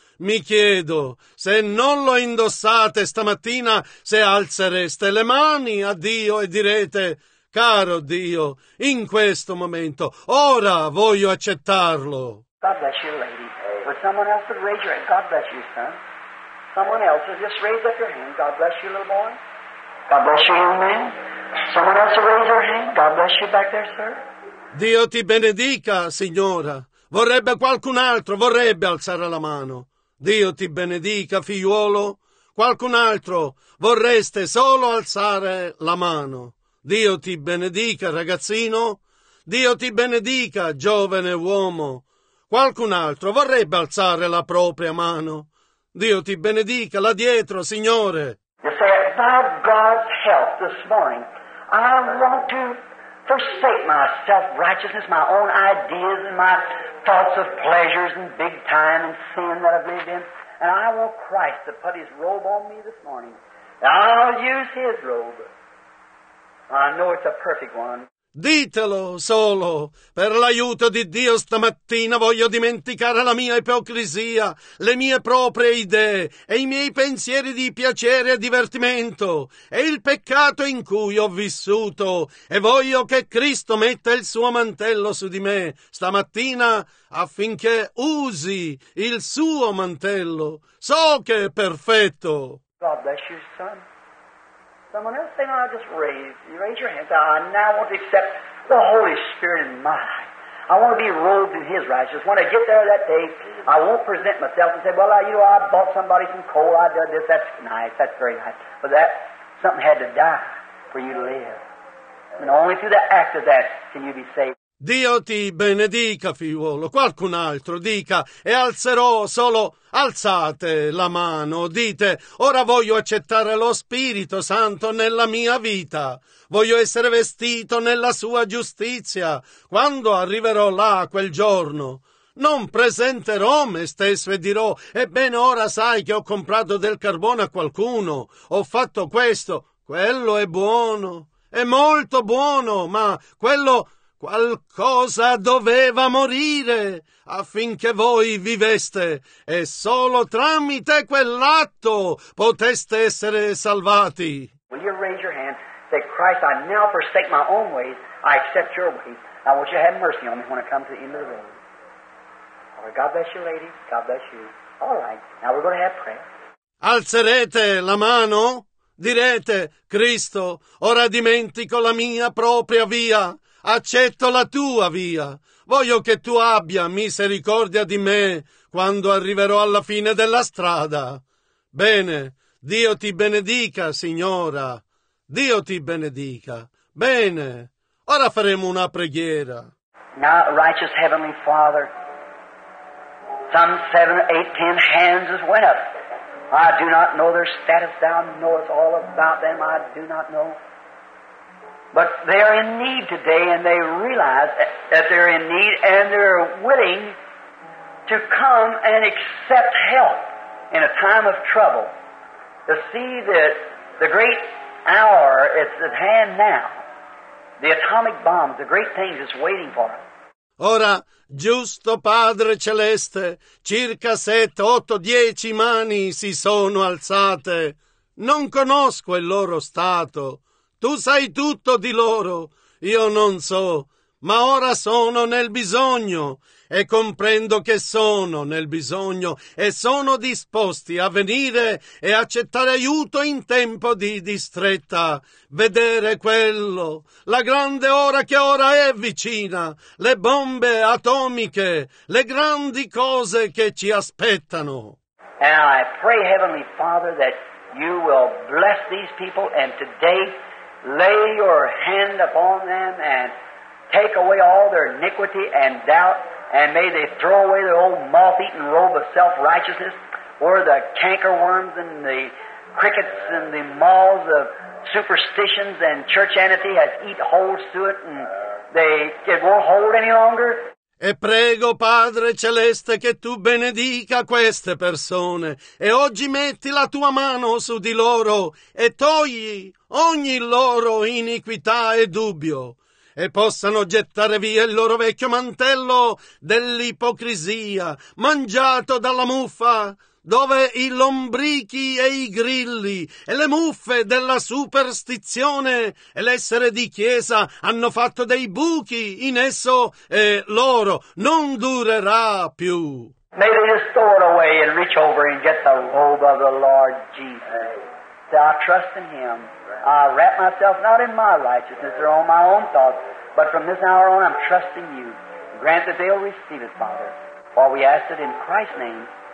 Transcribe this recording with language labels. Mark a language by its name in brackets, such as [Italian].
[Italian] Mi chiedo, se non lo indossate stamattina, se alzereste le mani a Dio e direte: "Caro Dio, in questo momento, ora voglio accettarlo." [English] God bless you, lady. Would someone else raise your hand? God bless you, son. Someone else, just raise up your hand. God bless you, little boy. God bless you, young man. Someone else raise your hand. God bless you back there, sir. [Italian] Dio ti benedica, signora. Vorrebbe qualcun altro, vorrebbe alzare la mano. Dio ti benedica, figliuolo. Qualcun altro, vorreste solo alzare la mano. Dio ti benedica, ragazzino. Dio ti benedica, giovane uomo. Qualcun altro vorrebbe alzare la propria mano. Dio ti benedica, là dietro, signore. [English] You say, "By God's help this morning, I want to forsake my self-righteousness, my own ideas and my thoughts of pleasures and big time and sin that I've lived in. And I want Christ to put His robe on me this morning. I'll use His robe. I know it's a perfect one." [Italian] Ditelo solo, per l'aiuto di Dio stamattina voglio dimenticare la mia ipocrisia, le mie proprie idee e i miei pensieri di piacere e divertimento e il peccato in cui ho vissuto e voglio che Cristo metta il suo mantello su di me stamattina affinché usi il suo mantello. So che è perfetto. [English] God bless you, son. Someone else say, "No, I just raise your hand. I now want to accept the Holy Spirit in my life. I want to be robed in His righteousness. When I get there that day, I won't present myself and say, 'Well, I bought somebody some coal. I did this.' That's nice. That's very nice. But that something had to die for you to live. And only through the act of that can you be saved." [Italian] Dio ti benedica, figliuolo. Qualcun altro dica, e alzerò solo, alzate la mano, dite, ora voglio accettare lo Spirito Santo nella mia vita, voglio essere vestito nella sua giustizia, quando arriverò là quel giorno. Non presenterò me stesso e dirò, ebbene ora sai che ho comprato del carbone a qualcuno, ho fatto questo, quello è buono, è molto buono, ma quello... qualcosa doveva morire affinché voi viveste e solo tramite quell'atto poteste essere salvati. [English] Will you raise your hand? Say, "Christ, I now forsake my own ways. I accept your ways. I want you to have mercy on me when I come to the end of the road." All right, God bless you, lady. God bless you. All right, now we're going to have prayer. [Italian] Alzerete la mano? Direte, "Cristo, ora dimentico la mia propria via. Accetto la tua via. Voglio che tu abbia misericordia di me quando arriverò alla fine della strada." Bene, Dio ti benedica, signora. Dio ti benedica. Bene, ora faremo una preghiera. [English] Now, righteous Heavenly Father, some 7, 8, 10 hands as well. I do not know their status. Thou knowest all about them. I do not know. But they are in need today, and they realize that they're in need, and they're willing to come and accept help in a time of trouble, to see that the great hour is at hand now, The atomic bomb, the great thing that's waiting for us. [Italian] Ora, giusto Padre Celeste, circa 7, 8, 10 mani si sono alzate. Non conosco il loro stato. Tu sai tutto di loro, io non so, ma ora sono nel bisogno e comprendo che sono nel bisogno e sono disposti a venire e accettare aiuto in tempo di distretta, vedere quello, la grande ora che ora è vicina, le bombe atomiche, le grandi cose che ci aspettano. [English] And I pray, Heavenly Father, that you will bless these people and today lay your hand upon them and take away all their iniquity and doubt, and may they throw away their old moth-eaten robe of self-righteousness, or the cankerworms and the crickets and the moths of superstitions and churchianity has eaten holes to it, and it won't hold any longer. [Italian] E prego, Padre Celeste, che tu benedica queste persone e oggi metti la tua mano su di loro e togli ogni loro iniquità e dubbio e possano gettare via il loro vecchio mantello dell'ipocrisia, mangiato dalla muffa, dove i lombrichi e i grilli e le muffe della superstizione e l'essere di chiesa hanno fatto dei buchi in esso e loro non durerà più. [English] May they just throw it away and reach over and get the robe of the Lord Jesus. Say, I trust in Him. I wrap myself not in my righteousness or on my own thoughts, but from this hour on I'm trusting you. Grant that they'll receive it, Father. For we ask it in Christ's name.